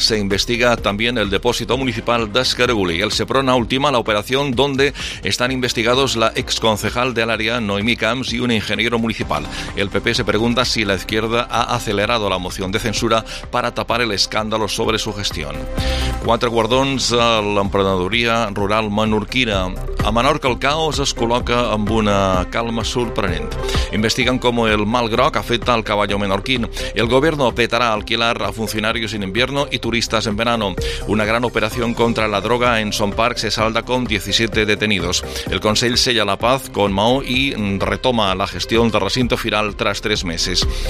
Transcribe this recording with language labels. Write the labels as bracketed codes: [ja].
[es] Se investiga también el depósito municipal de Escaraguli. El Seprona ultima la operación donde están investigados la exconcejal del área, Noemí Camps, y un ingeniero municipal. El PP se pregunta si la izquierda ha acelerado la moción de censura para tapar el escándalo sobre su gestión. [ca] Quatre guardons a l'emprenedoria rural menorquina. A Menorca el caos es col·loca amb una calma sorprenent. Investiguen com el mal groc afecta el caballo menorquín. [es] El gobierno petará alquilar a funcionarios en invierno y turistas en verano. Una gran operación contra la droga en Son Park se salda con 17 detenidos. El Consell sella la paz con Mao y retoma la gestión del recinto firal tras 3 meses.